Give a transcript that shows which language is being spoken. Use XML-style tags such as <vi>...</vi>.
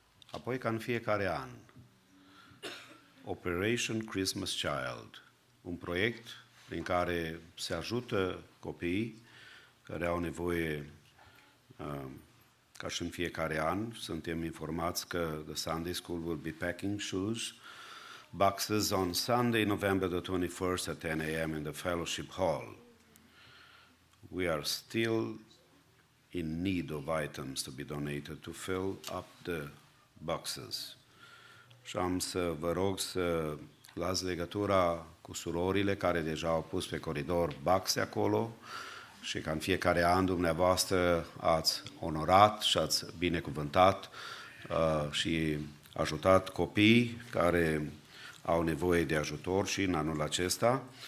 <ro>Apoi, ca în fiecare an, Operation Christmas Child, un proiect prin care se ajută copiii care au nevoie, ca și în fiecare an, suntem informați că</ro> <en>the Sunday School will be packing shoes, boxes on Sunday, November the 21st at 10 a.m. in the Fellowship Hall. We are still in need of items to be donated to fill up the boxes.</en> <ro>Și am să vă rog să luați legătura cu surorile care deja au pus pe coridor boxe acolo și că în fiecare an dumneavoastră ați onorat și ați binecuvântat și ajutat copii care au nevoie de ajutor și în anul acesta.</ro>